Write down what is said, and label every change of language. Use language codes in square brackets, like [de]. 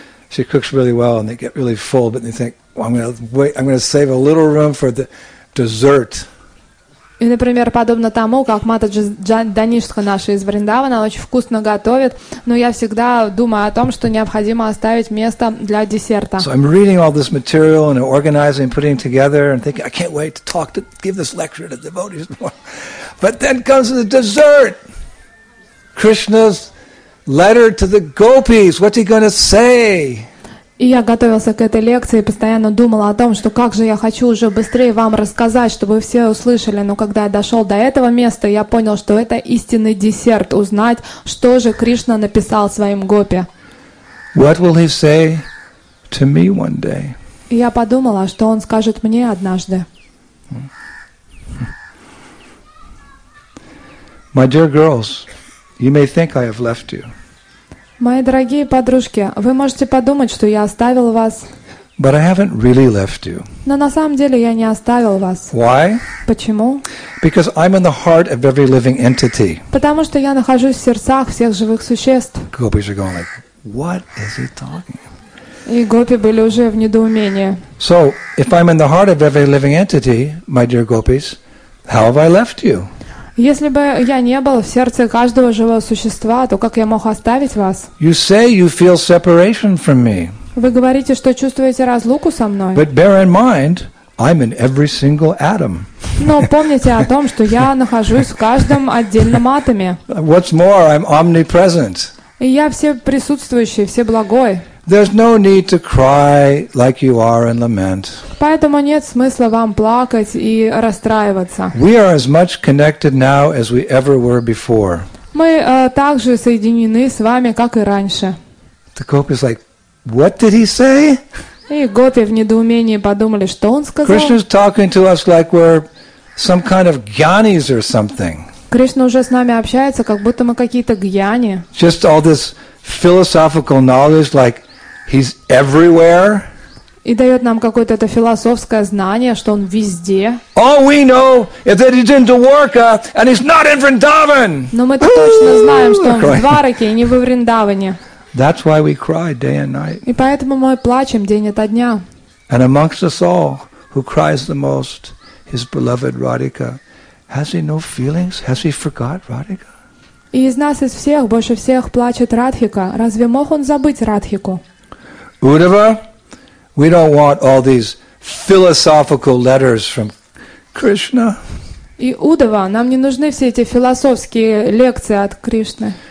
[en] She cooks really well, and they get really full, but they think, well, I'm going to save a little room for the dessert. [ru] И, например, подобно тому, как Мата Даништха наша из Вриндавана, она очень вкусно готовит, но я всегда думаю о том, что необходимо оставить место для десерта. [en] So I'm reading all this material and organizing, putting together, and thinking, I can't wait to talk, to give this lecture to the devotees. But then comes the dessert. Krishna's letter to the gopis. What's he going to say? [ru] И я готовился к этой лекции, постоянно думал о том, что как же я хочу уже быстрее вам рассказать, чтобы все услышали. Но когда я дошел до этого места, я понял, что это истинный десерт, узнать, что же Кришна написал своим гопи. [en] What will he say to me one day? [ru] И я подумал, а что он скажет мне однажды. [en] My dear girls, you may think I have left you. [ru] Мои дорогие подружки, вы можете подумать, что я оставил вас. [en] But I haven't really left you. [ru] Но на самом деле я не оставил вас. [en] Why? [ru] Почему? [en] Because I'm in the heart of every living entity. [ru] Потому что я нахожусь в сердцах всех живых существ. [en] Gopis are going like, what is he talking about? [ru] И гопи были уже в недоумении. [en] So, if I'm in the heart of every living entity, my dear gopis, how have I left you? [ru] Если бы я не был в сердце каждого живого существа, то как я мог оставить вас? [en] You say you feel separation from me. [ru] Вы говорите, что чувствуете разлуку со мной. [en] But bear in mind, I'm in every single atom. [ru] Но помните о том, что я нахожусь в каждом отдельном атоме. [en] What's more, I'm omnipresent. [ru] И я все присутствующий, все благой. [en] There's no need to cry like you are and lament. [ru] Поэтому нет смысла вам плакать и расстраиваться. [en] We are as much connected now as we ever were before. [ru] Мы также соединены с вами, как и раньше. [en] The Gopi is like, what did he say? [ru] И гопи в недоумении подумали, что он сказал? [en] Krishna's talking to us like we're some kind of gyanis or something. [ru] Кришна уже с нами общается, как будто мы какие-то гьяни. [en] Just all this philosophical knowledge, like he's everywhere. [ru] И дает нам какое-то это философское знание, что он везде. [en] All we know is that he's in Dwarka and he's not in Vrindavan. [ru] Но мы точно знаем, что он в Двараке и не в Вриндаване. [en] That's why we cry day and night. [ru] И поэтому мы плачем день ото дня. [en] And amongst us all, who cries the most, his beloved Radhika, has he no feelings? Has he forgot Radhika? [ru] И из нас, из всех, больше всех плачет Радхика. Разве мог он забыть Радхику? [en] Удава, we don't want all these philosophical letters from Krishna. [ru] И Удава, нам не нужны все эти философские лекции от Кришны.